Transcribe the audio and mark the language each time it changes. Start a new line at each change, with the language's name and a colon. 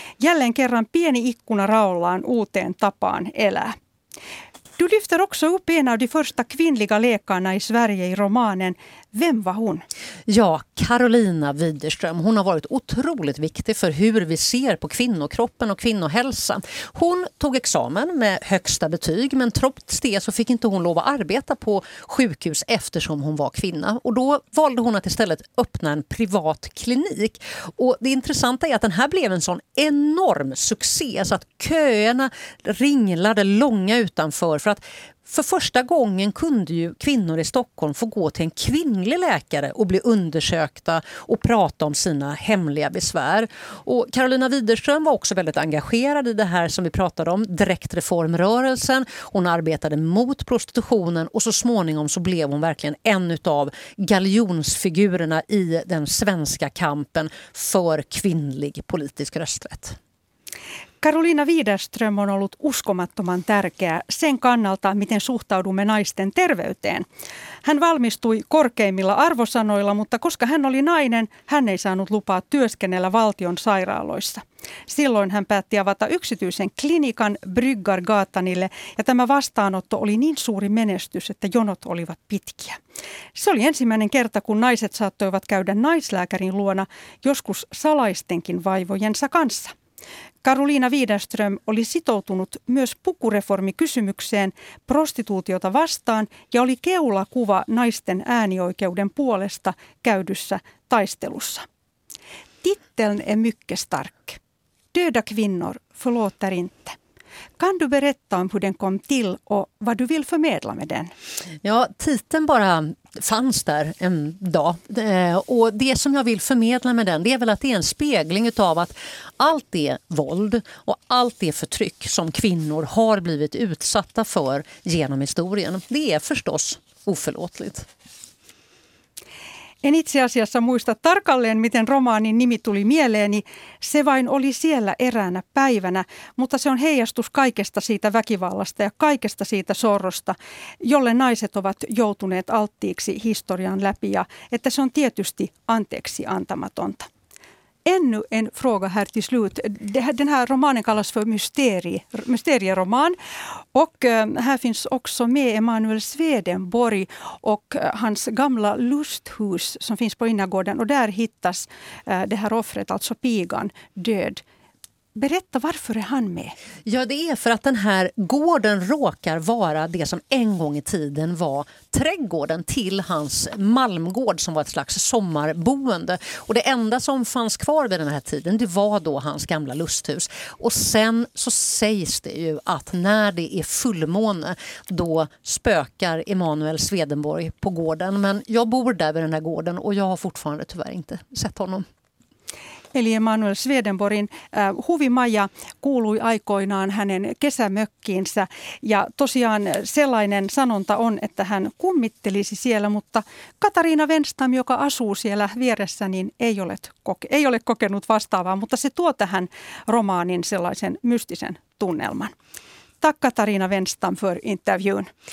Finnish: Jälleen kerran pieni ikkuna raollaan uuteen tapaan elää.
Swedish: Du lyfter också upp en av de första kvinnliga läkarna i Sverige i romanen. Vem var hon? Ja, Carolina Widerström. Hon har varit otroligt viktig för hur vi ser på kvinnokroppen och kvinnohälsa. Hon tog examen med högsta betyg, men trots det så fick inte hon lov att arbeta på sjukhus eftersom hon var kvinna. Och då valde hon att istället öppna en privat klinik. Och det intressanta är att den här blev en sån enorm succé, så att köerna ringlade långa utanför, för att för första gången kunde ju kvinnor i Stockholm få gå till en kvinnlig läkare och bli undersökta och prata om sina hemliga besvär. Och Carolina Widerström var också väldigt engagerad i det här som vi pratade om, direktreformrörelsen. Hon arbetade mot prostitutionen, och så småningom så blev hon verkligen en av galjonsfigurerna i den svenska kampen för kvinnlig politisk rösträtt.
Finnish: Carolina Widerström on ollut uskomattoman tärkeä sen kannalta, miten suhtaudumme naisten terveyteen. Hän valmistui korkeimmilla arvosanoilla, mutta koska hän oli nainen, hän ei saanut lupaa työskennellä valtion sairaaloissa. Silloin hän päätti avata yksityisen klinikan Bryggargatanille, ja tämä vastaanotto oli niin suuri menestys, että jonot olivat pitkiä. Se oli ensimmäinen kerta, kun naiset saattoivat käydä naislääkärin luona, joskus salaistenkin vaivojensa kanssa. Karoliina Widerström oli sitoutunut myös pukureformikysymykseen prostituutiota vastaan ja oli keulakuva naisten äänioikeuden puolesta käydyssä taistelussa.
Swedish: Titteln är mycket stark. Döda kvinnor förlåter inte. Kan du berätta om hur den kom till och vad du vill förmedla med den? Ja, titeln bara fanns där en dag. Och det som jag vill förmedla med den, det är väl att det är en spegling av att allt det våld och allt det förtryck som kvinnor har blivit utsatta för genom historien, det är förstås oförlåtligt.
Finnish: En itse asiassa muista tarkalleen, miten romaanin nimi tuli mieleeni. Se vain oli siellä eräänä päivänä, mutta se on heijastus kaikesta siitä väkivallasta ja kaikesta siitä sorrosta, jolle naiset ovat joutuneet alttiiksi historian läpi ja että se on tietysti anteeksi antamatonta.
Swedish: Ännu en fråga här till slut. Den här romanen kallas för mysterieroman. Och här finns också med Emanuel Swedenborg och hans gamla lusthus som finns på innergården. Och där hittas det här offret, alltså pigan, död. Berätta, varför är han med? Ja, det är för att den här gården råkar vara det som en gång i tiden var trädgården till hans malmgård som var ett slags sommarboende. Och det enda som fanns kvar vid den här tiden, det var då hans gamla lusthus. Och sen så sägs det ju att när det är fullmåne, då spökar Emanuel Swedenborg på gården. Men jag bor där vid den här gården och jag har fortfarande tyvärr inte sett honom.
Finnish: Eli Emanuel Swedenborgin huvimaja kuului aikoinaan hänen kesämökkiinsä ja tosiaan sellainen sanonta on, että hän kummittelisi siellä, mutta Katariina Wenstam, joka asuu siellä vieressä, niin ei ole kokenut vastaavaa, mutta se tuo tähän romaanin sellaisen mystisen tunnelman.
Swedish: Tack Katariina Wenstam för intervjun.